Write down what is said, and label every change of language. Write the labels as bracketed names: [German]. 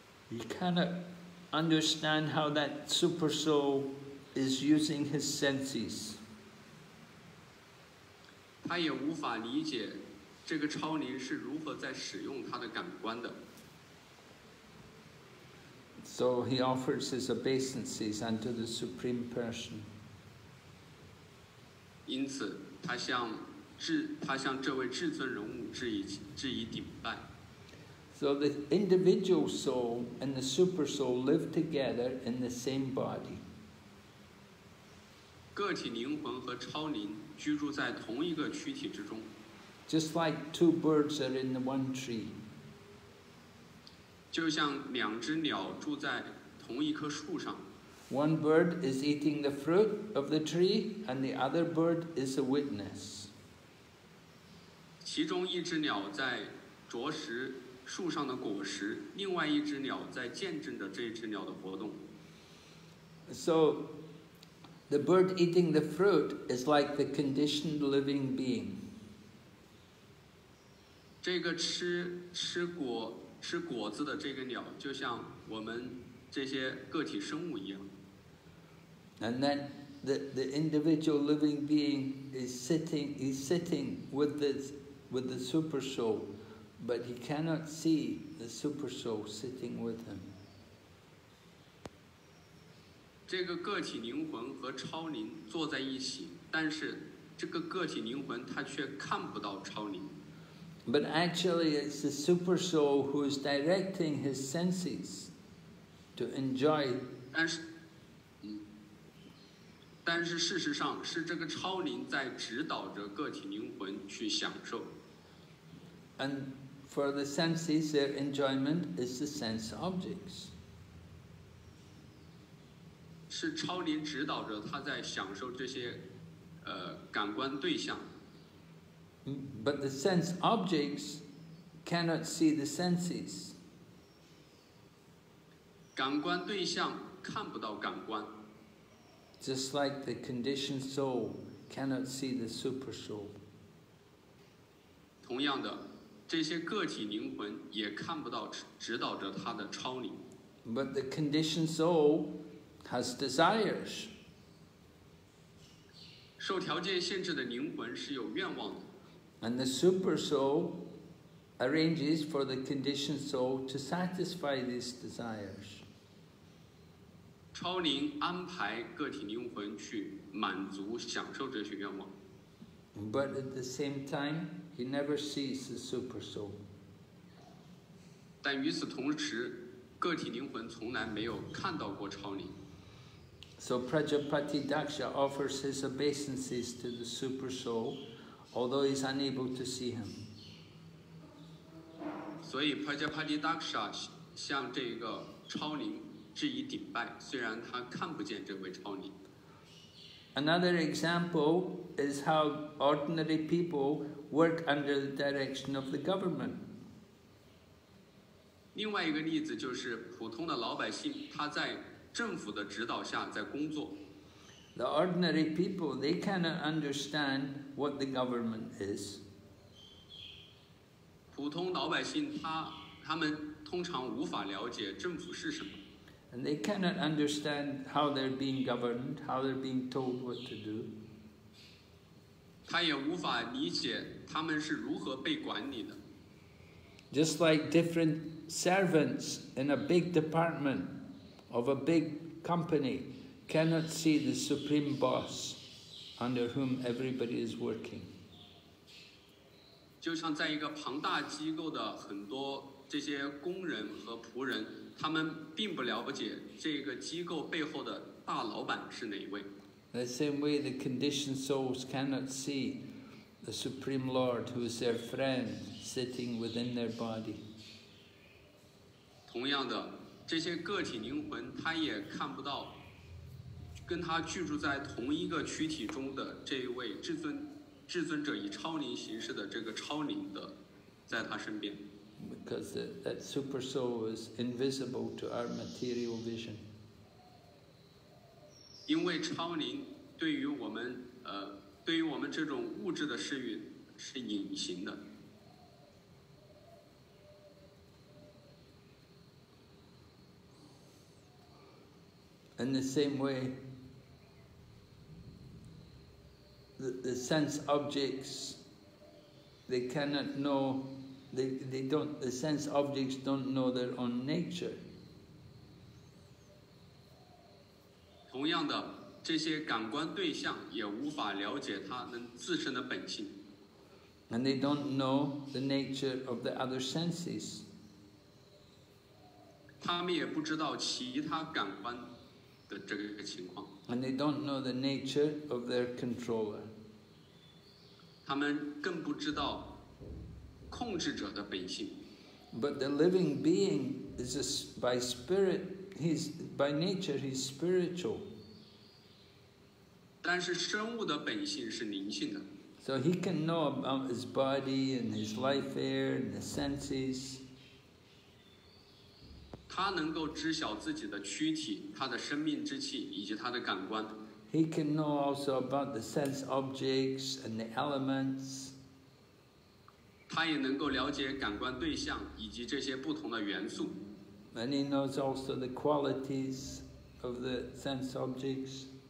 [English] He cannot understand how that super soul is using his senses. [Chinese] 他也无法理解这个超灵是如何在使用他的感官的。 [English] So he offers his obeisances unto the Supreme Person. [Chinese] 因此他向这位至尊人物致以顶拜。 [English] So the individual soul and the super soul live together in the same body. [Chinese] 个体灵魂和超灵居住在同一个躯体之中。 [English] Just like two birds are in the one tree. [Chinese] 就像两只鸟住在同一棵树上。 [English] One bird is eating the fruit of the tree, and the other bird is a witness. [Chinese] 其中一只鸟在啄食树上的果实，另外一只鸟在见证着这只鸟的活动。 [English] So the bird eating the fruit is like the conditioned living being. [Chinese] 这个吃果子的这个鸟就像我们这些个体生物一样。 [English] And then the individual living being is sitting with the super soul, but he cannot see the super soul sitting with him. [Chinese] 这个个体灵魂和超灵坐在一起，但是这个个体灵魂他却看不到超灵。 [English] But actually, it's the super soul who is directing his senses to enjoy. [Chinese] 但是事实上是这个超灵在指导着个体灵魂去享受。 [English] And for the senses, their enjoyment is the sense objects. [Chinese] 是超灵指导着他在享受这些感官对象。 [English] But the sense objects cannot see the senses. [Chinese] 感官对象看不到感官。 [English] Just like the conditioned soul cannot see the super soul. [Chinese] 同样的，这些个体灵魂也看不到指导着他的超灵。 [English] But the conditioned soul has desires. [Chinese] 受条件限制的灵魂是有愿望的。 [English] And the super soul arranges for the conditioned soul to satisfy these desires. [Chinese] 超灵安排个体灵魂去满足享受这些愿望。 [English] But at the same time, he never sees the super soul. [Chinese] 但与此同时，个体灵魂从来没有看到过超灵。 [English] So Prajapati Daksha offers his obeisances to the super soul. Although he's unable to see him. [Chinese] 所以 Prajapati Daksha 向这个超灵致以顶拜，虽然他看不见这位超灵。 [English] Another example is how ordinary people work under the direction of the government. [Chinese] 另外一个例子就是普通的老百姓，他在政府的指导下在工作。 [English] The ordinary people, they cannot understand what the government is. [Chinese] 普通老百姓他们通常无法了解政府是什么。 [English] And they cannot understand how they're being governed, how they're being told what to do. [Chinese] 他也无法理解他们是如何被管理的。 [English] Just like different servants in a big department of a big company, cannot see the supreme boss under whom everybody is working. [Chinese] 就像在一个庞大机构的很多这些工人和仆人，他们并不了解这个机构背后的大老板是哪一位。 [English] The same way the conditioned souls cannot see the supreme lord who is their friend sitting within their body. [Chinese] 同样的，这些个体灵魂他也看不到跟他居住在同一个躯体中的这一位至尊者以超灵形式的这个超灵的在他身边。 [English] Because that super soul is invisible to our material vision. [Chinese] 因为超灵对于我们这种物质的视域是隐形的。 [English] In the same way, the sense objects, they cannot know, the sense objects don't know their own nature. [Chinese] 同样的，这些感官对象也无法了解它们自身的本性。 [English] And they don't know the nature of the other senses. [Chinese] 他们也不知道其他感官的这个情况。 [English] And they don't know the nature of their controller. [Chinese] 他们更不知道控制者的本性。 [English] But the living being is by spirit, he's by nature, he's spiritual. [Chinese] 但是生物的本性是灵性的。 [English] So he can know about his body and his life here and the senses. [Chinese] 他能够知晓自己的躯体，他的生命之气以及他的感官。 [English] He can know also about the sense objects and the elements. [Chinese] 他也能够了解感官对象以及这些不同的元素。 [English] And he knows also the qualities of the sense objects.